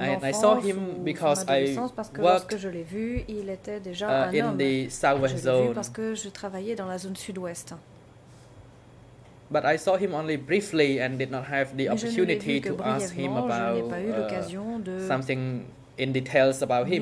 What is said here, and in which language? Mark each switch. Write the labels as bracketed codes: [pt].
[en] and I saw him because I worked in the southwest zone. [fr] Parce que je travaillais dans la zone sud-ouest. [en] But I saw him only briefly and did not have the opportunity to ask him about something in details about him.